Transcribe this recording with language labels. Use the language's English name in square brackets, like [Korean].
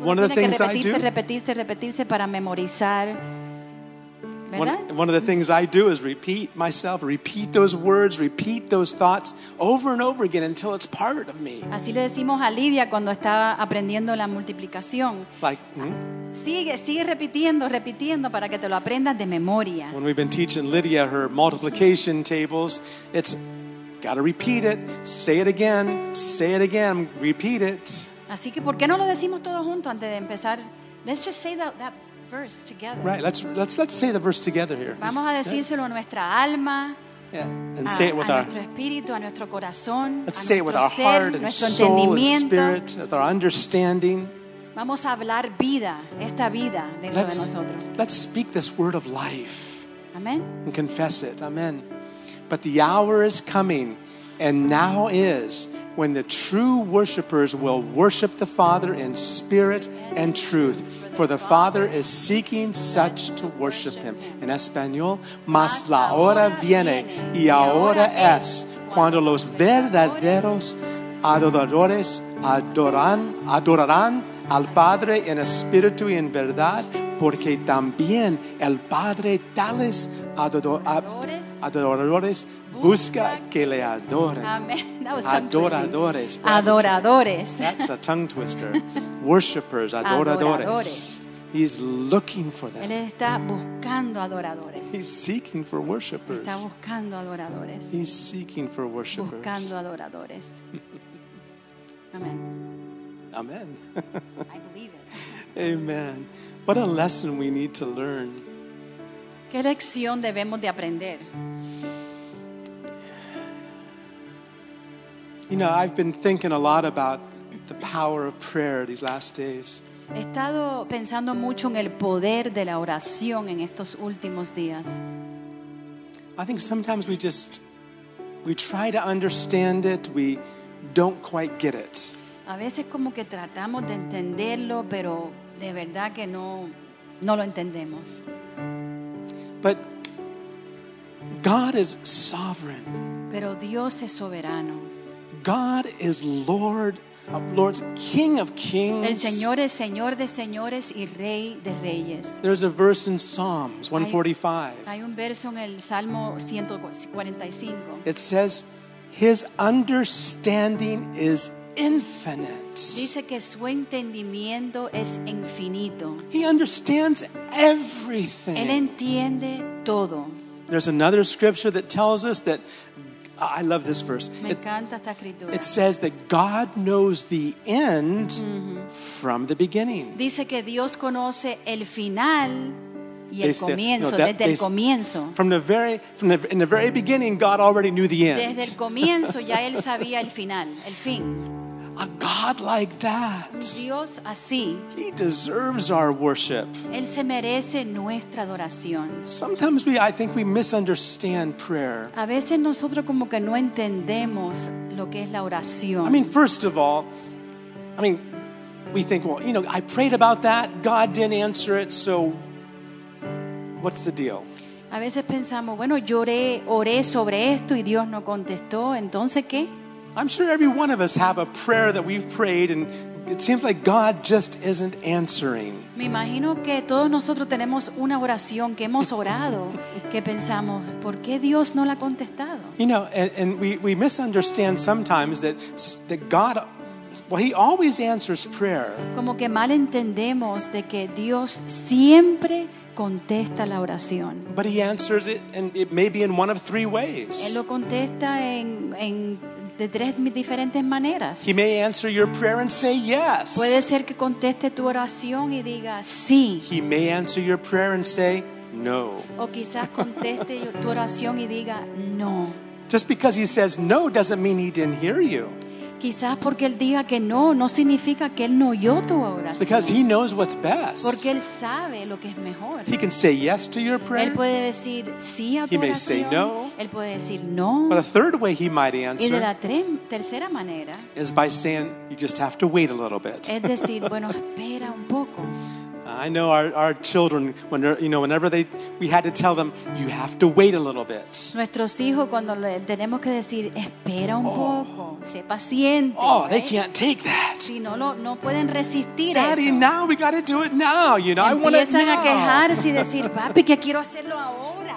[English] One of the things I do. [Spanish] Repetirse, repetirse para memorizar. [English] One of the things I do is repeat myself, repeat those words, repeat those thoughts over and over again until it's part of me. [Spanish] Así le decimos a Lidia cuando estaba aprendiendo la multiplicación. [English] Like, [Spanish] sigue repitiendo, repitiendo para que te lo aprendas de memoria. [English] When we've been teaching Lydia her multiplication tables, it's got to repeat it, say it again, repeat it. [Spanish] Así que ¿por qué no lo decimos todos juntos antes de empezar? [English] Let's just say that verse together. Right, let's say the verse together here. [Spanish] Vamos a decírselo a nuestra alma. [English] Yeah, and say it with [Spanish] a [English] our [Spanish] nuestro espíritu, a nuestro corazón, [English] let's [Spanish] a [English] say it with our [Spanish] ser, [English] heart and [Spanish] nuestro [English] soul [Spanish] entendimiento. [English] And spirit, with our understanding. [Spanish] Vamos a hablar vida, esta vida dentro [English] let's, [Spanish] de nosotros. [English] Let's speak this word of life. Amen. And confess it. Amen. But the hour is coming, and now is, when the true worshipers will worship the Father in spirit and truth. For the Father is seeking such to worship Him. [Spanish] En español, mas la hora viene y ahora es cuando los verdaderos adoradores adorarán al Padre en espíritu y en verdad, porque también el Padre tales adoradores busca que le adoren. Adoradores. Adoradores. [English] That's a tongue twister. Worshippers, adoradores. [Spanish] Adoradores. [English] He's looking for them. [Spanish] Él está buscando adoradores. [English] He's seeking for worshippers. [Spanish] Está buscando adoradores. [English] He's seeking for worshippers. [Spanish] Buscando adoradores. Amen. [English] Amen. I believe it. Amen. What a lesson we need to learn. [Spanish] ¿Qué lección debemos de aprender? [English] You know, I've been thinking a lot about the power of prayer these last days. [Spanish] He estado pensando mucho en el poder de la oración en estos últimos días. [English] I think sometimes we try to understand it, we don't quite get it. [Spanish] A veces como que tratamos de entenderlo, pero de verdad que no lo entendemos. [English] But God is sovereign. [Spanish] Pero Dios es soberano. [English] God is Lord of Lords, King of Kings. [Spanish] El Señor es Señor de señores y Rey de reyes. [English] There's a verse in Psalms 145. [Spanish] Hay un verso en el Salmo 145. [English] It says, His understanding is infinite. [Spanish] Dice que su entendimiento es infinito. [English] He understands everything. [Spanish] Él entiende todo. [English] There's another scripture that tells us that I love this verse. [Spanish] Me encanta esta escritura. [English] It says that God knows the end from the beginning. [Spanish] Dice que Dios conoce el final y el comienzo, desde el comienzo. [English] In the very beginning, God already knew the end. [Spanish] Desde el comienzo ya él sabía el final, el fin. [English] A God like that. [Spanish] Dios así. [English] He deserves our worship. [Spanish] Él se merece nuestra adoración. [English] Sometimes I think we misunderstand prayer. [Spanish] A veces nosotros como que no entendemos lo que es la oración. [English] I mean, first of all, I mean, we think, well, you know, I prayed about that, God didn't answer it, so what's the deal? [Spanish] A veces pensamos, bueno, lloré, oré sobre esto y Dios no contestó, ¿entonces qué? [English] I'm sure every one of us have a prayer that we've prayed and it seems like God just isn't answering. [Spanish] Me imagino que todos nosotros tenemos una oración que hemos orado que pensamos, ¿por qué Dios no la ha contestado? [English] You know, and we misunderstand sometimes that God, well, he always answers prayer. [Spanish] Como que mal entendemos de que Dios siempre contesta la oración. [English] But he answers it, and it may be in one of three ways. [Spanish] Él lo contesta en de tres diferentes maneras. [English] He may answer your prayer and say yes. [Spanish] Puede ser que conteste tu oración y diga sí. [English] He may answer your prayer and say no. [Spanish] O quizás conteste tu oración y diga no. [English] Just because he says no doesn't mean he didn't hear you. [Spanish] Quizás porque él diga que no, no significa que él no oyó tu oración. [English] It's because he knows what's best. [Spanish] Porque él sabe lo que es mejor. [English] He can say yes to your prayer. [Spanish] Él puede decir sí a tu oración. [English] He may say no. [Spanish] Él puede decir no. [English] But a third way he might answer. [Spanish] Y de la tercera manera. [English] Is by saying you just have to wait a little bit. [Spanish] Es decir, bueno, espera un poco. [English] I know our children, when you know, whenever they, we had to tell them, you have to wait a little bit. [Spanish] Nuestros hijos cuando le tenemos que decir espera un poco, sé paciente. [English] Oh, they can't take that. [Spanish] Si no lo no pueden resistir. [English] Daddy, [Spanish] eso. [English] Now we got to do it now. You know, [Spanish] empiezan [English] I want it now. [Spanish] Empiezan a quejarse y decir papi que quiero hacerlo ahora.